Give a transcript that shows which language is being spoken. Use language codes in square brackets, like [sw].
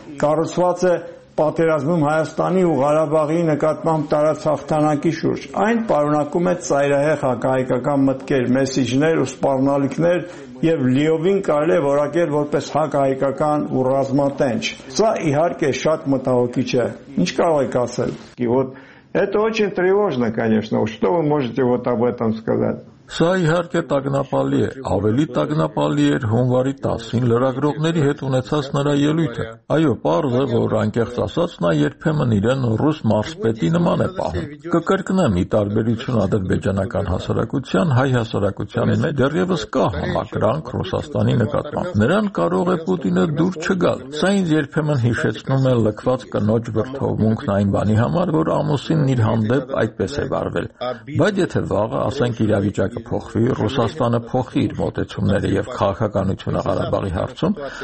[hy] կառուցված է պատերազմում Հայաստանի ու Ղարաբաղի նկատմամբ տարած հաղթանակի շուրջ։ Այն պարունակում է ծայրահեղ հակահայկական մտքեր, մեսիջներ ու սպառնալիքներ, և լիովին կարելի է որակել որպես հակահայկական ու ռազմատենչ։ Սա իհարկե շատ մտահոգիչ է։ Ինչ կարող եք ասել։ [ru] Это очень тревожно, конечно. Что вы можете вот об этом сказать? [hy] Սա իհարկե տագնապալի է, ավելի տագնապալի էր հունվարի 10-ին լրագրողների հետ ունեցած նրա ելույթը։ Այո, պարզ է, որ անկեղծ ասած նա երբեմն իրեն ռուս մարսպետի նման է պահում։ Կկրկնեմ, ի տարբերություն ադրբեջանական հասարակության, հայ հասարակության մեջ դեռևս կա համակրանք Ռուսաստանի նկատմամբ։ Նրան կարող է Պուտինը դուր չգալ։ Սա ինձ երբեմն հիշեցնում է լքված կնոջ վրդովմունքն այն բանի համար, որ ամուսինն իր հանդեպ այդպես է վարվել։ Բայց եթե վաղը, ասենք իրավիճակը փոխվի, Ռուսաստանը փոխի իր մոտեցումները և քաղաքականությունը Ղարաբաղի հարցում,